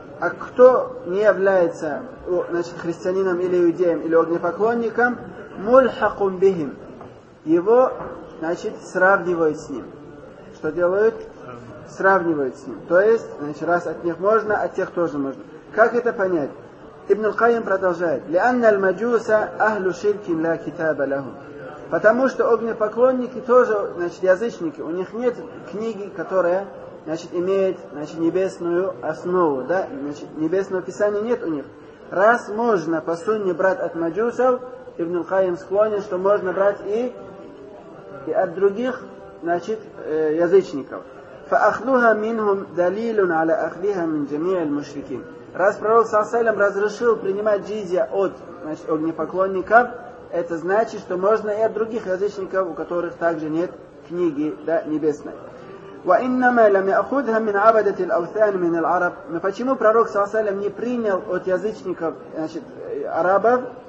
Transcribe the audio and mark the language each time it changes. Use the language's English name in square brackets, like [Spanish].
[Russian] А кто не является, значит, христианином или иудеем, или огнепоклонником, [Arabic] мульхакум бихим. [Russian] Его, значит, сравнивают с ним. Что делают? Сравнивают с ним. То есть, значит, раз от них можно, от тех тоже можно. Как это понять? Ибн Аль-Кайм продолжает. [Arabic] لأن المجوس أهل شرك لا كتاب له. [Russian] Потому что огнепоклонники тоже, значит, язычники. У них нет книги, которая, значит, имеет, значит, небесную основу, да? Значит, небесного писания нет у них. Раз можно по сунне брать от маджусов, Ибн Аль-Кайм склонен, что можно брать и от других, значит, язычников. [Arabic] فأخذها منهم دليل على أخذها من جميع المشركين. [Russian] Раз пророк саллям разрешил принимать джизия от, значит, огнепоклонников, это значит, что можно и от других язычников, у которых также нет книги, да, небесной. [Arabic] وَإِنَّمَا لَمْ يَأْخُذْهَا مِنْ عَبَدَةِ الْأَوْثَانِ مِنَ الْعَرَبِ. [Russian] Но почему пророк саллям не принял от язычников, значит, арабов?